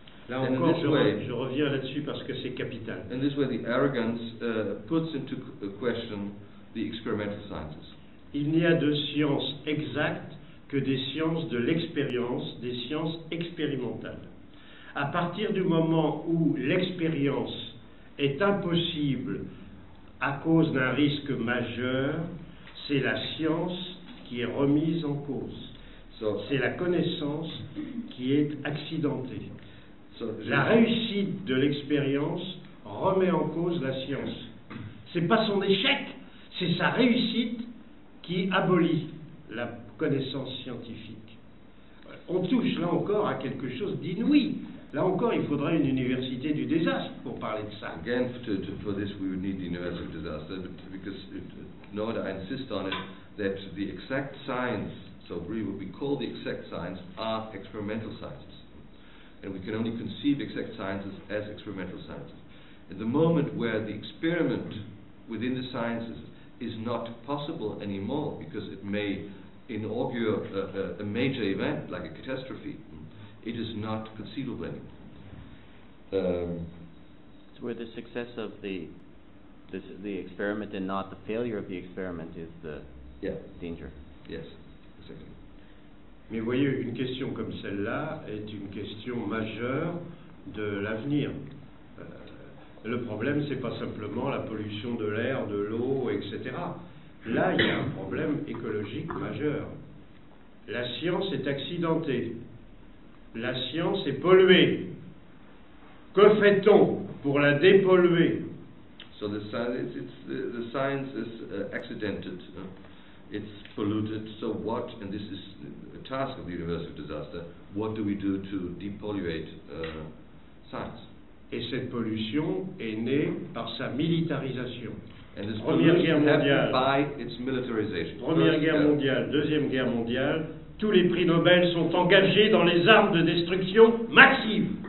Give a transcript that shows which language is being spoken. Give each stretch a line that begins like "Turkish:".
French: Là encore, je reviens là-dessus parce que c'est capital.
English: In this way, the arrogance puts into question the experimental sciences.
French: Il n'y a de science exacte que des sciences de l'expérience, des sciences expérimentales. À partir du moment où l'expérience est impossible à cause d'un risque majeur, c'est la science qui est remise en cause. C'est la connaissance qui est accidentée. La réussite de l'expérience remet en cause la science. C'est pas son échec, c'est sa réussite qui abolit la connaissance scientifique. On touche là encore à quelque chose d'inouï. Là encore, il faudrait une université du désastre pour parler de ça.
English: Again, for this, we would need the university of disaster, because I insist on it that the exact science. So really what we call the exact science are experimental sciences. And we can only conceive exact sciences as experimental sciences. At the moment where the experiment within the sciences is not possible anymore, because it may inaugurate a major event, like a catastrophe, it is not conceivable anymore. It's where the success of the experiment and not the failure of the experiment is the danger. Yes.
French: Mais voyez, une question comme celle-là est une question majeure de l'avenir. Le problème, c'est pas simplement la pollution de l'air, de l'eau, etc. Là, il y a un problème écologique majeur. La science est accidentée. La science est polluée. Que fait-on pour la dépolluer?
English: So the science is accidented. It's polluted, so what, and this is a task of the University of Disaster, what do we do to depolluate science?
French: Et cette pollution est née par sa militarisation.
English: And this pollution happened by its militarization.
French: Première guerre mondiale, deuxième guerre mondiale, tous les prix Nobel sont engagés dans les armes de destruction massive.